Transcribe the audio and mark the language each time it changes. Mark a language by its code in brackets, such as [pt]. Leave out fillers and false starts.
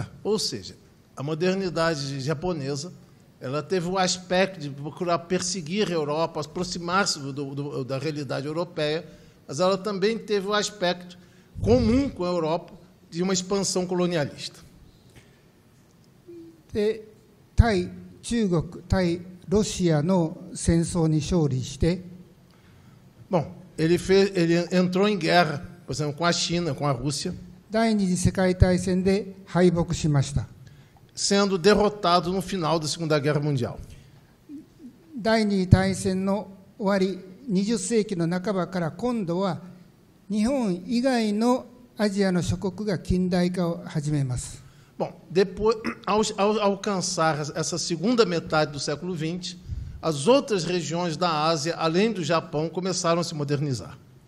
[pt] Ou seja, a modernidade japonesa, ela teve o aspecto de procurar perseguir a Europa, aproximar-se da realidade europeia, mas ela também teve o aspecto comum com a Europa de uma expansão colonialista. [ja] で、対中国、対ロシアの戦争に勝利して、 [pt] Bom,ele entrou em guerra, por exemplo, com a China, com a Rússia. [ja] 第二次世界大戦で敗北しました。 [pt] Sendo derrotado no final da Segunda Guerra Mundial. [ja] 第二次大戦の終わり、20世紀の半ばから今度は日本以外のアジアの諸国が近代化を始めます。 [pt] Bom, depois, ao alcançar essa segunda metade do século XX,as outras regiões da Ásia, além do Japão, começaram a se modernizar.